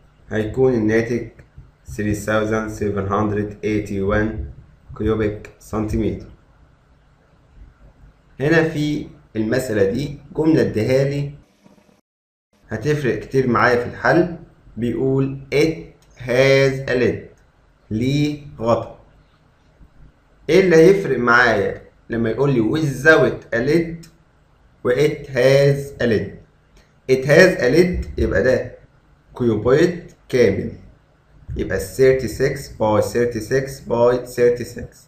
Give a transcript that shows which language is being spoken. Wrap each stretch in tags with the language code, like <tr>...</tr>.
<ar>هيكون الناتج 3781 كيوبيك سنتيمتر. هنا في المسألة دي جملة الدهالي هتفرق كتير معايا في الحل. بيقول</ar> <en>it has a lid،</en> <ar>ليه غطا. ايه اللي هيفرق معايا لما يقول لي</ar> <en>without a lid</en> <ar>و</ar> <en>it has a lid؟</en> <ar>it has a lid يبقى ده كيوبويد كامل، يبقى 36 × 36 × 36.</ar>